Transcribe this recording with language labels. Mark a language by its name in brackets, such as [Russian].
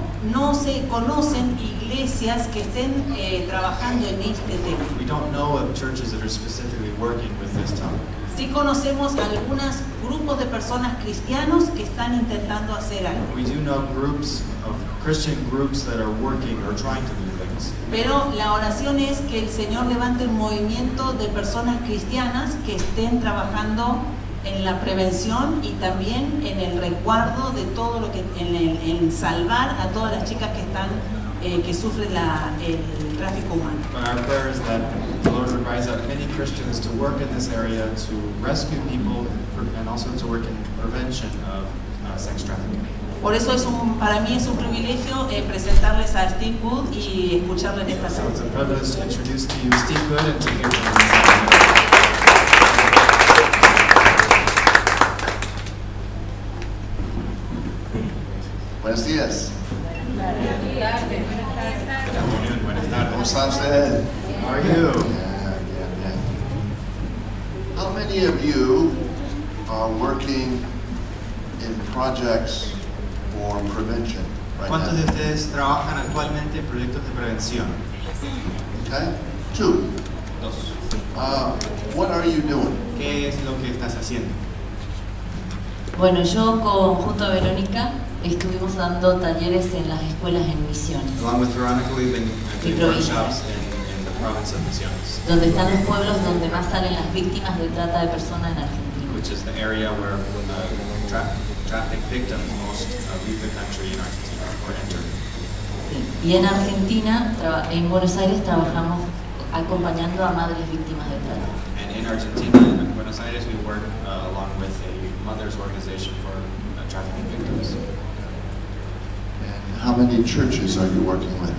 [Spanish] No se conocen iglesias que estén trabajando en este tema. [English] We don't know of churches that are specifically working with this topic. [Spanish] Sí conocemos algunos grupos de personas cristianos que están intentando hacer algo. [English] We do know groups of Christian groups that are working or trying to do things. [Spanish] Pero la oración es que el Señor levante un movimiento de personas cristianas que estén trabajando en la prevención y también en el resguardo de todo lo que en salvar a todas las chicas que están que sufren el tráfico humano. [English] But our prayer is that the Lord would rise up many Christians to work in this area to rescue people and also to work in prevention of sex trafficking. [Spanish] Por eso para mí es un privilegio presentarles a Steve Wood y escucharle en esta sesión. [English] So it's a privilege to introduce to you Steve Wood and to hear from him. [Spanish] Buenos días. [English] Good afternoon. [Spanish] Buenas tardes. ¿Cómo están ustedes? [English] How are you? Yeah. How many of you are working in projects for prevention right [Spanish] ¿Cuántos [English] now? [Spanish] De ustedes trabajan actualmente en proyectos de prevención? [English] Okay. Two. [Spanish] Dos. [English] What are you doing? [Spanish] ¿Qué es lo que estás haciendo? Bueno, yo junto a Verónica estuvimos dando talleres en las escuelas en Misiones. [English] Along with Veronica, we've been doing workshops in the province of Misiones. [Spanish] Donde están los pueblos donde más salen las víctimas de trata de personas en Argentina. [English] Which is the area where the traffic victims most leave the country in Argentina or enter. [Spanish] Y en Argentina, en Buenos Aires, trabajamos acompañando a madres víctimas de trata. [English] And in Argentina, in Buenos Aires, we work along with a mother's organization for trafficking victims. And how many churches are you working with?